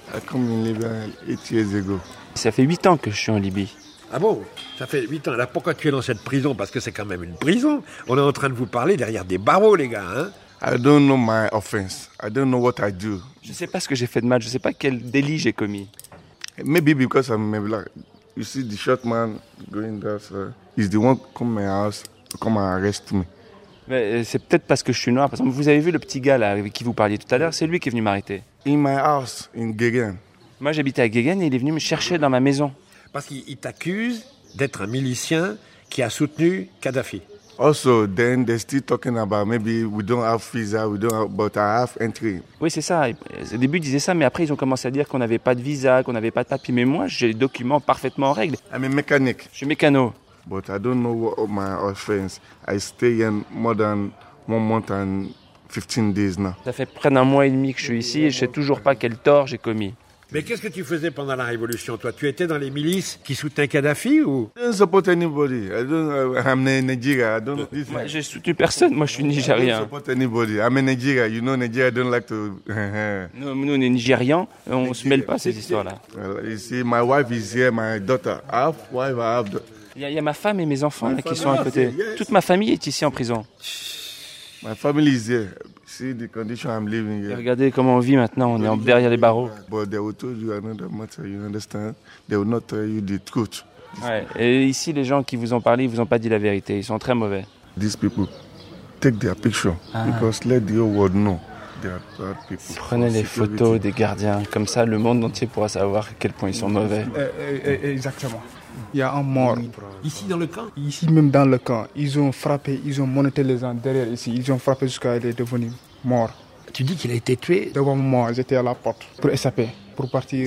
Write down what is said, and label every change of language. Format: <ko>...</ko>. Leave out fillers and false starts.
<fr>Comme une Libye, et tu es égaux. Ça fait 8 ans que je suis en Libye. Ah bon? Ça fait 8 ans. Alors pourquoi tu es dans cette prison? Parce que c'est quand même une prison. On est en train de vous parler derrière des barreaux, les gars. Hein?</fr> <en>I don't know my offense. I don't know what I do.</en> <fr>Je ne sais pas ce que j'ai fait de mal. Je ne sais pas quel délit j'ai commis.</fr> <en>Maybe because I'm black. You see the short man going there, sir. He's the one come my house, come and arrest me.</en> <fr>Mais c'est peut-être parce que je suis noir. Par exemple, vous avez vu le petit gars là avec qui vous parliez tout à l'heure? C'est lui qui est venu m'arrêter.</fr> <en>In my house, in Guéguen.</en> <fr>Moi, j'habitais à Guéguen et il est venu me chercher dans ma maison. Parce qu'il t'accuse d'être un milicien qui a soutenu Kadhafi.</fr> <en>Also, then they're still talking about maybe we don't have visa, we don't have, but I have entry.</en> <fr>Oui, c'est ça. Au début, ils disaient ça, mais après, ils ont commencé à dire qu'on n'avait pas de visa, qu'on n'avait pas de papier. Mais moi, j'ai les documents parfaitement en règle.</fr> <en>I'm a mechanic.</en> <fr>Je suis mécano.</fr> <en>But I don't know what my offense. I stay here more than 1 month and 15 days now.</en> <fr>Ça fait près d'un mois et demi que je suis ici et je ne sais toujours pas quel tort j'ai commis. Mais qu'est-ce que tu faisais pendant la révolution, toi? Tu étais dans les milices qui soutenaient Kadhafi ou?</fr> <en>I don't support anybody. I don't. I'm in Nigeria. I don't.</en> <fr>This... Moi, je soutiens personne. Moi, je suis Nigérien.</fr> <en>I don't support anybody. I'm in Nigeria. You know, Nigeria. I don't like to.</en> <fr>nous, on est Nigérians. On Nigeria. Se mêle pas ces histoires-là.</fr> <en>You see, my wife is here. My daughter. I have wife. I have.</en> <fr>Il y a ma femme et mes enfants là, qui sont à côté. Yes. Toute ma famille est ici en prison.</fr> <en>My family is here. See the condition I'm living here. Regardez comment on vit maintenant, on est derrière les barreaux. But they will tell you another matter, you understand? They will not tell you the truth.</en> <fr>Ouais. Et ici, les gens qui vous ont parlé, ils vous ont pas dit la vérité. Ils sont très mauvais.</fr> <en>These people take their picture because let the whole world know they are bad people.</en> <fr>Prenez les photos des gardiens, comme ça, le monde entier pourra savoir à quel point ils sont mauvais. Exactement. Il y a un mort. Ici dans le camp? Ici même dans le camp. Ils ont frappé, ils ont monté les gens derrière ici. Ils ont frappé jusqu'à ce qu'il est devenu mort. Tu dis qu'il a été tué? Devant moi, j'étais à la porte pour échapper, pour partir.</fr>